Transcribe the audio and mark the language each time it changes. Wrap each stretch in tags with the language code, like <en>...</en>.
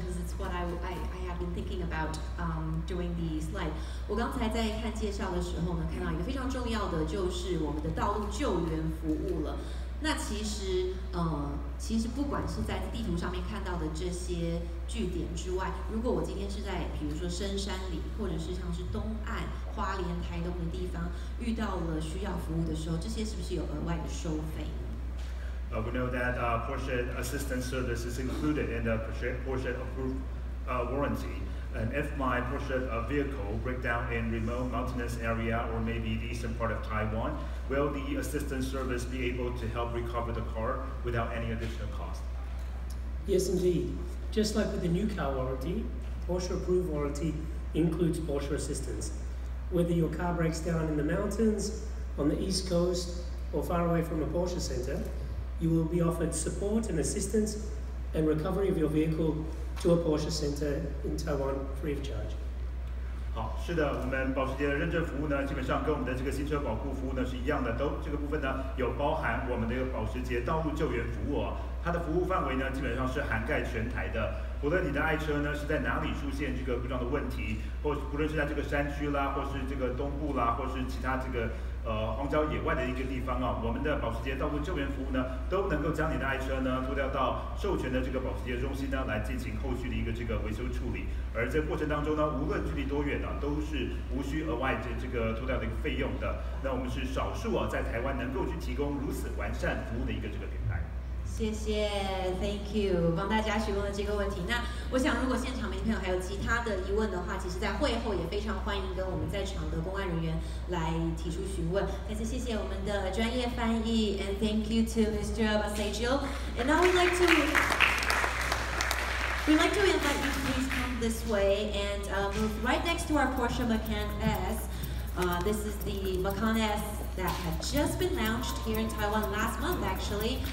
<en>Because it's what I have been thinking about doing the slide.</en> <zh>我刚才在看介绍的时候呢，看到一个非常重要的，就是我们的道路救援服务了。那其实不管是在地图上面看到的这些据点之外，如果我今天是在比如说深山里，或者是像是东岸花莲台东的地方遇到了需要服务的时候，这些是不是有额外的收费？</zh> <en>We know that portion assistance service is included in the portion approved warranty. And if my portion vehicle break down in remote mountainous area or maybe the eastern part of Taiwan,Will the assistance service be able to help recover the car without any additional cost? Yes, indeed. Just like with the new car warranty, Porsche approved warranty includes Porsche assistance. Whether your car breaks down in the mountains, on the East Coast, or far away from a Porsche center, you will be offered support and assistance and recovery of your vehicle to a Porsche center in Taiwan free of charge.</en> <zh>好，是的，我们保时捷的认证服务呢，基本上跟我们的这个新车保护服务呢是一样的，都这个部分呢有包含我们的一个保时捷道路救援服务、哦、它的服务范围呢基本上是涵盖全台的，不论你的爱车呢是在哪里出现这个故障的问题，或不论是在这个山区啦，或是这个东部啦，或是其他这个荒郊野外的一个地方啊、哦，我们的保时捷道路救援服务呢都能够将你的爱车呢拖掉到授权的这个保时捷中心呢来进行后续的一个这个维修处理，而在过程当中呢，无论距离多远呢、啊，都是无需额外的这个拖掉的一个费用的。那我们是少数啊，在台湾能够去提供如此完善服务的一个这个品牌。谢谢 ，</zh> <en>Thank you，</en> <zh>帮大家询问了这个问题。那我想，如果现场媒体朋友还有其他的疑问的话，其实在会后也非常欢迎跟我们在场的公安人员来提出询问。再次谢谢我们的专业翻译 ，</zh> <en>and thank you to Mr. Basagio。 And now we'd like to invite you to please come this way and move right next to our Porsche Macan S. This is the Macan S. That had just been launched here in Taiwan last month, actually.</en>